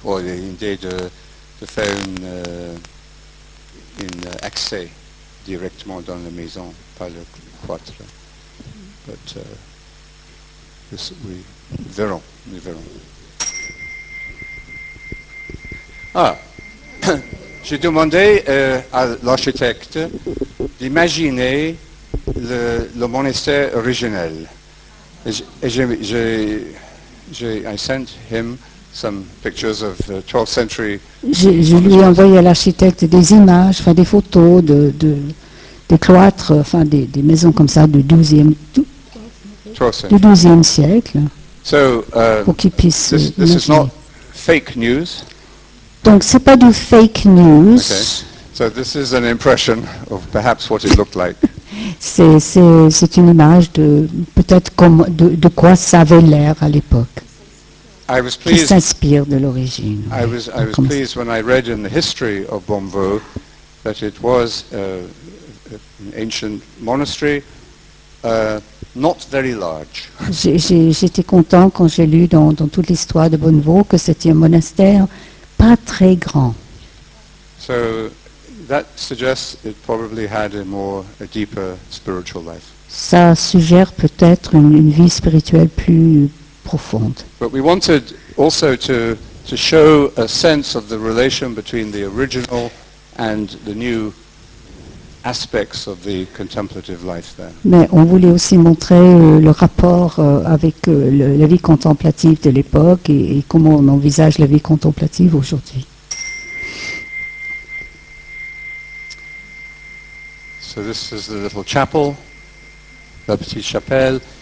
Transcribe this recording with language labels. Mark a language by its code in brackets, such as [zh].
[fr] Ou une idée de faire un accès directement dans la maison par le cloître. [en] But Yes, [fr] oui. Véran, oui, Véran. Ah, j'ai demandé à l'architecte d'imaginer le monastère originel. [en] Et I sent him some pictures of the 12th century. [fr] Je lui ai envoyé à l'architecte des images, enfin des photos de cloîtres, enfin des maisons comme ça du 12e siècle. [en] So, [fr] pour qu'il puisse [en] this is not fake news. [fr] Donc c'est pas du fake news. [en] Okay. So this is an impression of perhaps what it looked like. [fr] C'est une image de peut-être de quoi ça avait l'air à l'époque. [en] I was pleased, [fr] qui s'inspire de l'origine. [en] I was pleased when I read in the history of Bombeau that it was an ancient monastery, not very large. [fr] J'étais content quand j'ai lu dans toute l'histoire de Bombeau que c'était un monastère pas très grand. [en] So, that suggests it probably had a deeper spiritual life. [fr] Ça suggère peut-être une vie spirituelle plus profonde. [en] But we wanted also to show a sense of the relation between the original and the new aspects of the contemplative life there. [fr] Mais on voulait aussi montrer le rapport avec la vie contemplative de l'époque et comment on envisage la vie contemplative aujourd'hui. [en] So this is the little chapel, [fr] la petite chapelle.